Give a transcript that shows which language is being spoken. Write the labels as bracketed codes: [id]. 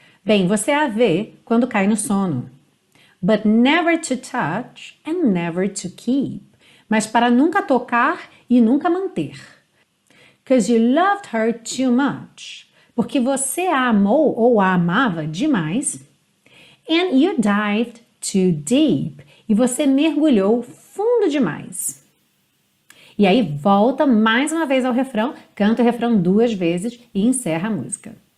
[pt] Bem, você a vê quando cai no sono. [en] But never to touch and never to keep. [pt] Mas para nunca tocar e nunca manter. [en] Because you loved her too much. [pt] Porque você a amou ou a amava demais. [en] And you dived too deep, [pt] e você mergulhou fundo demais. E aí volta mais uma vez ao refrão, canta o refrão duas vezes e encerra a música.